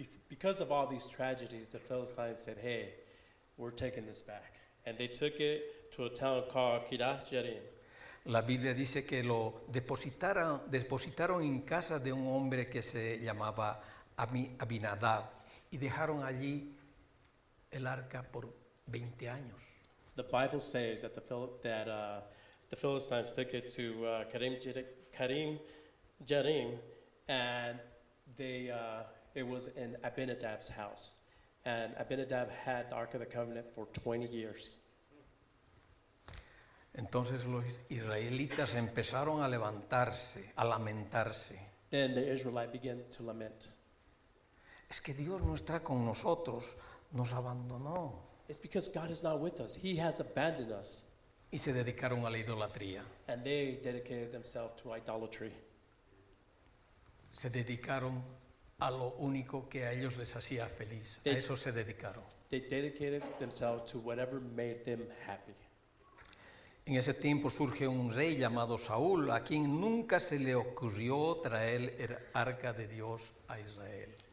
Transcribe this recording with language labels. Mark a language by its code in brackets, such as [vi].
[en] Because of all these tragedies, the Philistines said, hey, we're taking this back. And they took it to a town called Kiriat Jerim. [es] La Biblia dice que lo depositaron en casa de un hombre que se llamaba Abinadab y dejaron allí el arca por 20 años. [en] The Bible says that the Philistines took it to Kiriat Jerim and it was in Abinadab's house. And Abinadab had the Ark of the Covenant for 20 years. [es] Entonces los israelitas empezaron a levantarse, a lamentarse. [en] Then the Israelites began to lament. [es] Es que Dios no está con nosotros, nos abandonó. [en] It's because God is not with us. He has abandoned us. [es] Y se dedicaron a la idolatría. [en] And they dedicated themselves to idolatry. [es] Se dedicaron a lo único que a ellos les hacía feliz. A eso se dedicaron. [en] They dedicated themselves to whatever made them happy. [es] En ese tiempo surge un rey llamado Saúl, a quien nunca se le ocurrió traer el arca de Dios a Israel.